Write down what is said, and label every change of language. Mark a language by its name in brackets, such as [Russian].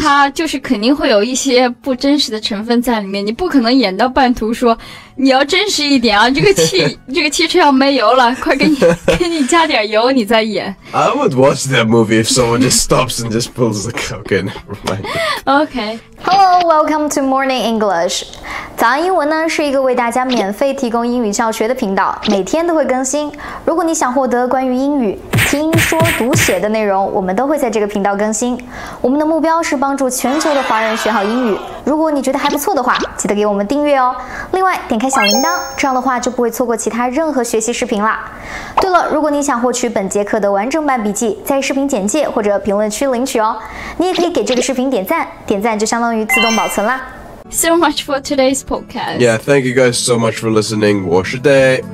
[Chinese] 它就是肯定会有一些不真实的成分在里面你不可能演到半途说你要真实一点啊这个汽这个汽车要没油了快给你加点油你再演 [English] I would watch that movie if someone just stops and just pulls the car okay never mind OK Hello welcome to Morning English [Chinese] 早安英文呢是一个为大家免费提供英语教学的频道每天都会更新如果你想获得关于英语听说读写的内容我们都会在这个频道更新我们的目标是帮助全球的华人学好英语如果你觉得还不错的话记得给我们订阅哦另外点开小铃铛这样的话就不会错过其他任何学习视频了对了如果你想获取本节课的完整版笔记在视频简介或者评论区领取哦你也可以给这个视频点赞点赞就相当于自动保存啦 [English] So much for today's podcast Yeah, thank you guys so much for listening [Chinese] 我是 [English] Day